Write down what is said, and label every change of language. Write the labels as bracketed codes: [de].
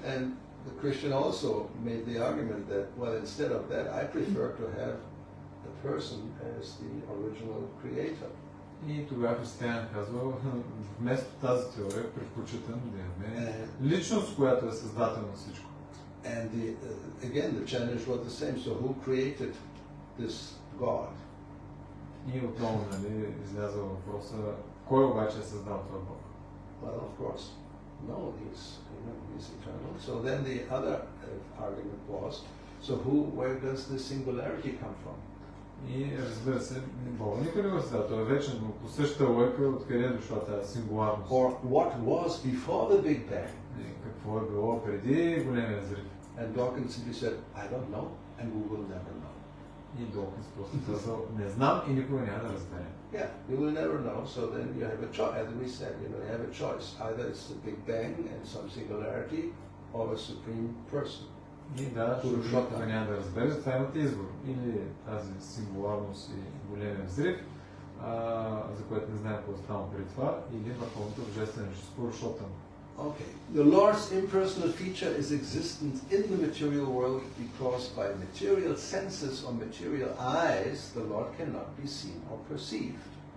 [en] And the Christian also made the argument that, well, instead of that, I prefer to have the person as the original creator. [bg] И тогава християнин казва, вместо тази теория, предпочитам да имаме личност, която е създател на всичко. [en] And the, again, the challenge was the same. So who created this God? [bg] И отново, нали, излязва въпроса, кой обаче е създал това Бог? [en] Well, of course, no, he's, you know, he's eternal. So then the other argument was, so who, where does this singularity come from? [bg] И разбира се, Бог никой не го създал, той е вечен, но по същата лойка, откъде е дошла тази сингуларност? [en] Or what was before the Big Bang? [bg] И какво е било преди големия взрив? [en] And Dawkins simply said, I don't know, and we will never know. [bg] И Dawkins просто казал, не знам и никога няма да разберем. [en] Yeah, you will never know, so then you have a choice, as we said, you know, you have a choice. Either it's the Big Bang and some singularity, or a supreme person. [bg] И да, Purushottam. Няма да разбереш, това имате избор. Или тази сингуларност и големия взрив, за което не знаем какво става при това, или върховното божествено с Purushottam. [en] Okay. The Lord's impersonal feature is existent in the material world because by material senses or material eyes the Lord cannot be seen or perceived.